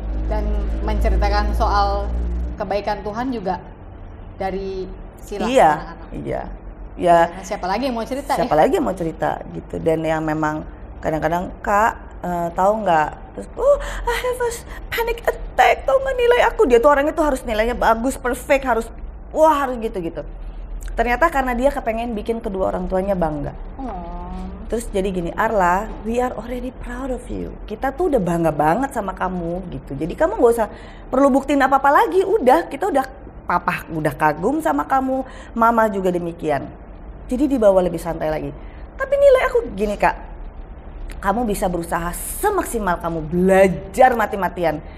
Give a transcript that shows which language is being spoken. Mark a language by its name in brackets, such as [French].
[Indonesian] Dan menceritakan soal kebaikan Tuhan juga dari sila iya, anak-anak. Iya. Ya, nah, siapa lagi yang mau cerita? Siapa lagi yang mau cerita gitu. Dan yang memang kadang-kadang, Kak, tahu enggak? Terus, [English] I have a panic attack. [Indonesian] Tahu enggak nilai aku? Dia tuh orangnya tuh harus nilainya bagus, perfect, harus wah, harus gitu-gitu. Ternyata karena dia kepengen bikin kedua orang tuanya bangga. Terus jadi gini, [English] Arla, we are already proud of you. [Indonesian] Kita tuh udah bangga banget sama kamu gitu. Jadi kamu gak usah perlu buktiin apa-apa lagi. Udah, kita udah, papa udah kagum sama kamu. Mama juga demikian. Jadi dibawa lebih santai lagi. Tapi nilai aku gini, Kak. Kamu bisa berusaha semaksimal kamu belajar mati-matian.